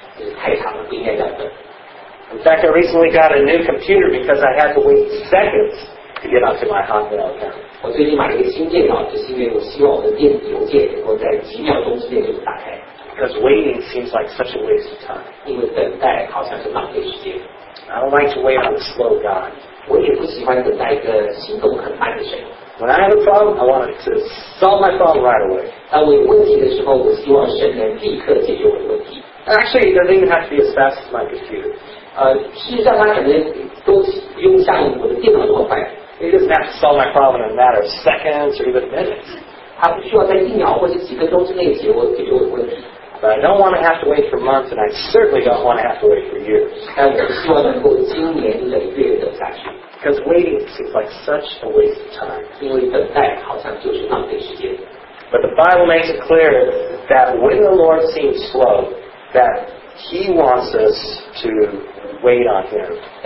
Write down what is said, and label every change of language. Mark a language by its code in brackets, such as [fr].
[en] In fact, I recently got a new computer because I had to wait seconds to get onto my Hotmail account. Because waiting seems like such a waste of time. I don't like to wait on a slow God. [zh] 我也不喜欢等待一个行动很慢的神。 [en] When I have a problem, I want to solve my problem right away. [zh] 当我有问题的时候，我希望神能立刻解决我的问题。 [en] Actually, it doesn't even have to be as fast as my computer. [zh] 事实上，它可能都不用像我的电脑那么快。 [en] It doesn't have to solve my problem in a matter of seconds or even minutes. [zh] 它不需要在一秒或者几分钟之内解决我的问题。 [en] But I don't want to have to wait for months, and I certainly don't want to have to wait for years. Because waiting seems like such a waste of time. But the Bible makes it clear that when the Lord seems slow, that He wants us to wait on Him.